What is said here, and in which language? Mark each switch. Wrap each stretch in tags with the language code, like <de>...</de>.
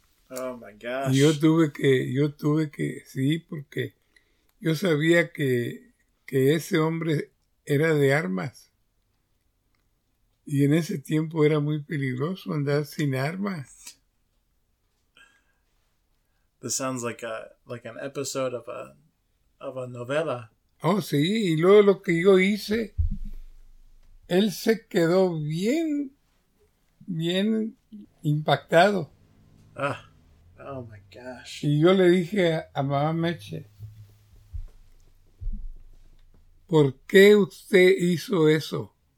<en>Oh my gosh.</en> <es>Y yo tuve que, sí, porque yo sabía que ese hombre era de armas. Y en ese tiempo era muy peligroso andar sin armas.</es> <en>This sounds like an episode of a novela.</en> <es>Oh, sí, y luego lo que yo hice, él se quedó bien, bien impactado.</es> <en>Ah, oh my gosh.</en> <es>Y yo le dije a mamá Meche, ¿por qué usted hizo eso?</es>